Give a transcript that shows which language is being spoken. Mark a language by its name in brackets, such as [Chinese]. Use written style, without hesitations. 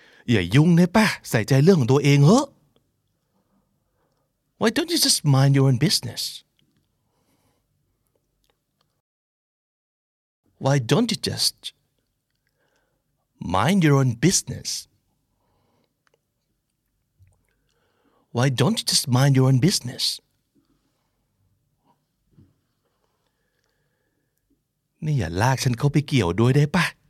[Thai] อย่ายุ่งนะป่ะใส่ใจเรื่องของตัวเองเหอะ [English] Why don't you just mind your own business? Why don't you just... Mind your own business. Why don't you just mind your own business? [Thai] นี่อย่าลากฉันเข้าไปเกี่ยวด้วยได้ป่ะ